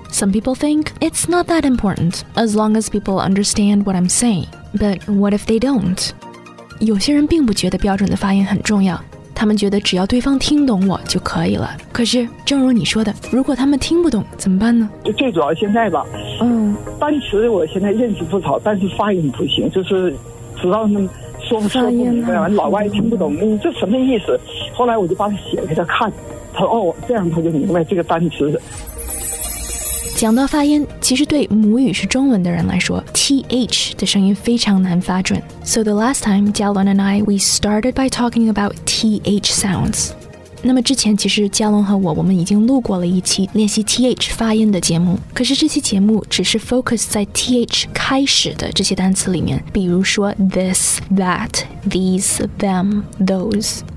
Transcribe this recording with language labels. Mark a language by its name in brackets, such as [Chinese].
[English] Some people think it's not that important, as long as people understand what I'm saying. But what if they don't? [Chinese] 有些人并不觉得标准的发音很重要，他们觉得只要对方听懂我就可以了。可是，正如你说的，如果他们听不懂怎么办呢？最主要现在吧，单词我现在认识不少，但是发音不行，就是知道那说不明白，老外听不懂，这什么意思？后来我就把它写给他看，他说哦，这样他就明白这个单词。讲到发音，其实对母语是中文的人来说 TH 的声音非常难发准。 [English] So the last time, Jialong and I, we started by talking about TH sounds. [Chinese] 那么之前其实 Jialong 和我们已经录过了一期练习 TH 发音的节目，可是这期节目只是 focus 在 TH 开始的这些单词里面，比如说 this, that, these, them, those.